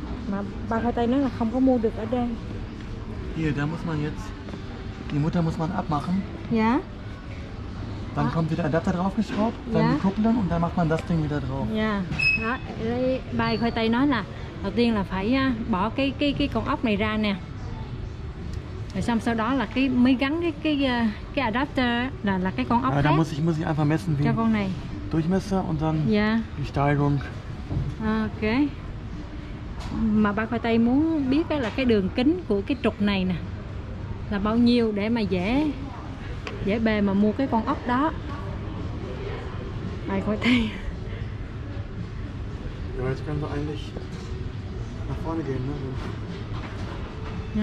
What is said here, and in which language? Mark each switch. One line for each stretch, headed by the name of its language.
Vietnamese: Mà ba khoai tây nói là không có mua được ở đây.
German: Hier, da muss man jetzt die Mutter muss man abmachen. Ja. Dann kommt wieder Adapter drauf geschraubt, dann die Kupplung und dann macht man das Ding wieder drauf. Ja.
Vietnamese: Đó, ba khoai tây nói là đầu tiên là phải bỏ cái con ốc này ra nè. Rồi xong sau đó là cái mới gắn cái adapter là cái con ốc khác.
German: Muss ich einfach messen wie.
Vietnamese: Cho con này.
German: Durchmesser und dann
English: yeah.
German: Die Steigung.
English: Ok.
Vietnamese: Mà ba khoai tây muốn biết là cái đường kính của cái trục này nè là bao nhiêu để mà dễ bề mà mua cái con ốc đó. Ba khoai tây.
German: Ja, jetzt können wir eigentlich nach vorne gehen, ne?